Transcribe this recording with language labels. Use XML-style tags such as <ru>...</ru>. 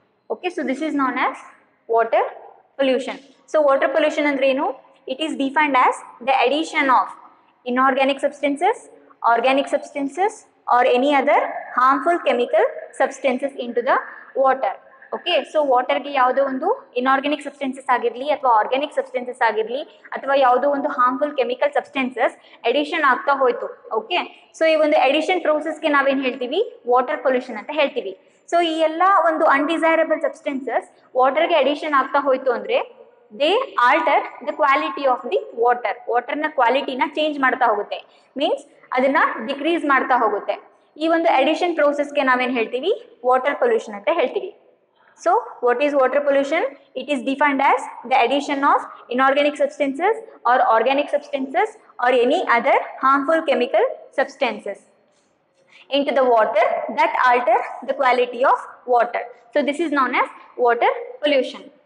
<en>Okay, so this is known as water pollution. So water pollution and reno, it is defined as the addition of inorganic substances, organic substances, or any other harmful chemical substances into the water.</en> <kn>Okay so ವಾಟರ್ಗೆ ಯಾವುದೋ ಒಂದು inorganic substances ಆಗಿರಲಿ ಅಥವಾ organic substances ಆಗಿರಲಿ ಅಥವಾ ಯಾವುದೋ ಒಂದು harmful chemical substances edition ಆಗ್ತಾ ಹೋಯ್ತು. ಓಕೆ ಸೊ ಈ ಒಂದು ಎಡಿಷನ್ ಪ್ರೋಸೆಸ್ಗೆ ನಾವೇನು ಹೇಳ್ತೀವಿ, ವಾಟರ್ ಪೊಲ್ಯೂಷನ್ ಅಂತ ಹೇಳ್ತೀವಿ. ಸೊ ಈ ಎಲ್ಲ ಒಂದು ಅನ್ಡಿಸೈರಬಲ್ ಸಬ್ಸ್ಟೆನ್ಸಸ್ ವಾಟರ್ಗೆ ಎಡಿಷನ್ ಆಗ್ತಾ ಹೋಯ್ತು ಅಂದರೆ</kn> <en>they alter the quality of the water,</en> <kn>ವಾಟರ್ನ ಕ್ವಾಲಿಟಿನ change ಮಾಡ್ತಾ ಹೋಗುತ್ತೆ, ಮೀನ್ಸ್ ಅದನ್ನ ಡಿಕ್ರೀಸ್ ಮಾಡ್ತಾ ಹೋಗುತ್ತೆ. ಈ ಒಂದು ಎಡಿಷನ್ ಪ್ರೋಸೆಸ್ಗೆ ನಾವೇನು ಹೇಳ್ತೀವಿ, ವಾಟರ್ ಪೊಲ್ಯೂಷನ್ ಅಂತ ಹೇಳ್ತೀವಿ.</kn> <en>So what is water pollution? It is defined as the addition of inorganic substances or organic substances or any other harmful chemical substances into the water that alter the quality of water. So this is known as water pollution.</en>